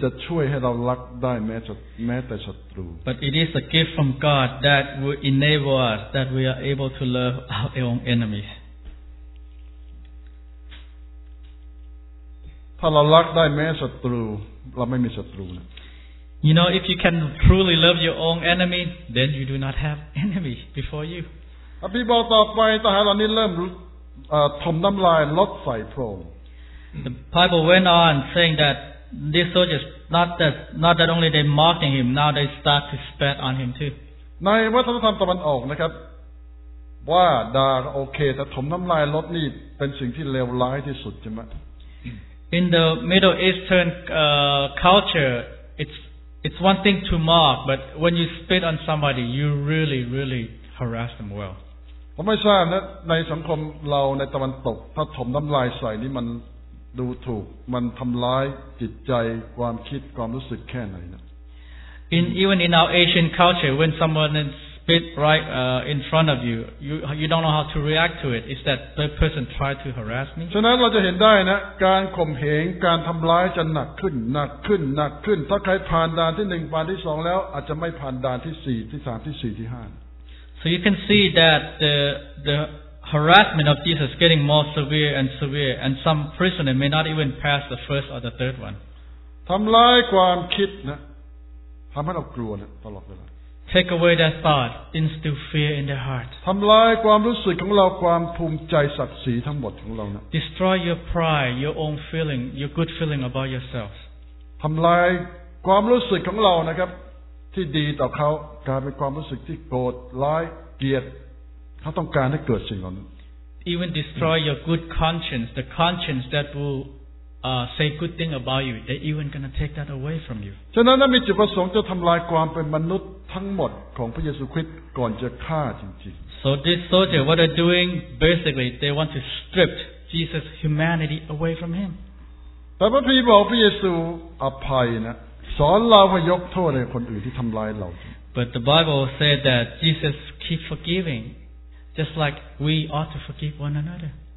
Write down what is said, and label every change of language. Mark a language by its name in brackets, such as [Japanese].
[English] But it is a gift from God that will enable us that we are able to love our own enemies. [Thai] ถ้าเรารักได้แม้ศัตรูเราไม่มีศัตรูนะ [English] You know if you can truly love your own enemy then you do not have enemy before you [Thai] อภิบาลต่อไปทหารเหล่านี้เริ่มถมน้ำลายลดใส่พระองค์ [English] The Bible went on saying that these soldiers not that only they mocking him now they start to spat on him too [Thai] ในวัฒนธรรมตะวันออกนะครับว่าด่าโอเคแต่ถมน้ำลายลดนี่เป็นสิ่งที่เลวร้ายที่สุดใช่ไหม [English] In the Middle Eastern culture, it's one thing to mock, but when you spit on somebody, you really, really harass them well. [Thai] ผมไม่ทราบนะในสังคมเราในตะวันตกถ้าถมน้ำลายใส่นี่มันดูถูกมันทำร้ายจิตใจความคิดความรู้สึกแค่ไหนนะ [English] Even in our Asian culture, when someone spit right in front of you, you don't know how to react to it. Is that the person try to harass me? [Thai] ฉะนั้นเราจะเห็นได้นะการข่มเหงการทำร้ายจะหนักขึ้นหนักขึ้นหนักขึ้นถ้าใครผ่านด่านที่1ผ่านที่2แล้วอาจจะไม่ผ่านด่านที่4ที่3ที่4ที่5 [English] So you can see that the harassment of Jesus getting more severe and severe and some prisoner may not even pass the first or the third one. [Thai] ทำร้ายความคิดนะทำให้เรากลัวนะตลอดเวลา [English] Take away that thought, instill fear in their heart. [Thai] ทำลายความรู้สึกของเราความภูมิใจศักดิ์ศรีทั้งหมดของเรานะ [English] Destroy your pride, your own feeling, your good feeling about yourself. [Thai] ทำลายความรู้สึกของเรานะครับที่ดีต่อเขากลายเป็นความรู้สึกที่โกรธร้ายเกลียดเขาต้องการให้เกิดสิ่งเหล่านั้น [English] Even destroy your good conscience, the conscience that will say good thing about you. They even gonna take that away from you. [Thai] ฉะนั้นมีจุดประสงค์จะทำลายความเป็นมนุษย์ทั้งหมดของพระเยซูคริสต์ก่อนจะฆ่าจริง [English] ๆ So these soldiers what they're doing basically they want to strip Jesus humanity away from him [Thai] แต่พระพี่บอกพระเยซูอภัยนะสอนเราให้ยกโทษให้คนอื่นที่ทำลายเรา [English] But the Bible said that Jesus keep forgiving just like we ought to forgive one another